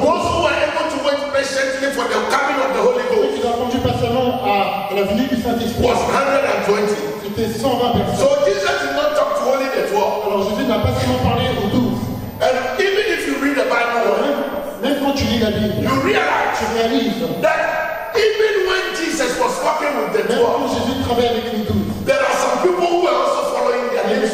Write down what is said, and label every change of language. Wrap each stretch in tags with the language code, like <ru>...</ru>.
<en>Those who were able to wait patiently for the coming of the Holy Ghost,</en> <fr>ils ont attendu patiemment à la venue du Saint-Esprit.</fr> <en>Was 120.</en> <fr>C'était 120 personnes.</fr> <en>So Jesus did not talk to only the 12.</en> <fr>Alors Jésus n'a pas seulement parlé aux 12.</fr> <en>And even if you read the Bible,</en> <fr>même quand tu lis la Bible,</fr> <en>you realize,</en> <fr>tu réalises,</fr> <en>that even when Jesus was talking with the 12,</en> <fr>même quand Jésus travaillait avec les 12,</fr> <en>there are some people who were also following their leads</en>